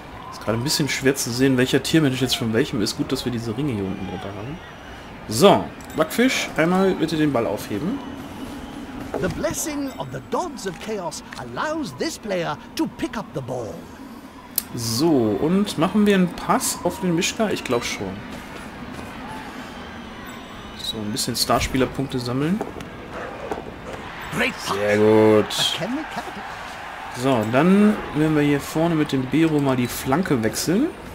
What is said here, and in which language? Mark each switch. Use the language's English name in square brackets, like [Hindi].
[German] Ist gerade ein bisschen schwer zu sehen, welcher Tiermensch jetzt von welchem ist. Gut, dass wir diese Ringe hier unten drunter haben. So. Backfisch, einmal bitte den Ball aufheben. [English] The blessing of the Dogs of Chaos allows this player to pick up the ball. [German] So, und machen wir einen Pass auf den Mischka? Ich glaube schon. So, ein bisschen Starspielerpunkte sammeln. Sehr gut. So, dann werden wir hier vorne mit dem Bero mal die Flanke wechseln.